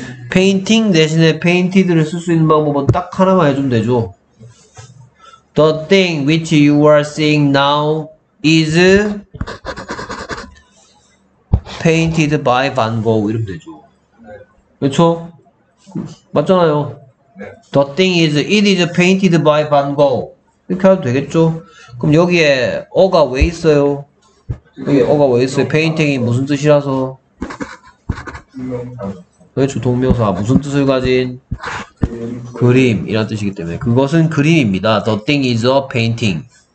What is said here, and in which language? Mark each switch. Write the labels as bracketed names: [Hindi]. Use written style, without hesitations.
[Korean] 페인팅 대신에 페인티드를 쓸수 있는 방법은 딱 하나만 해주면 되죠. [English] The thing which you are seeing now is painted by Van Gogh [Korean] 이러면 되죠. 그렇죠? 맞잖아요. [English] The thing is, it is painted by Van Gogh. [Korean] 이렇게 해도 되겠죠? 그럼 여기에 어가 왜 있어요? 여기 어가 왜 있어요? 페인팅이 무슨 뜻이라서? 그렇죠. 동명사 무슨 뜻을 가진 그림이란 뜻이기 때문에 그것은 그림입니다. [English] The thing is a painting.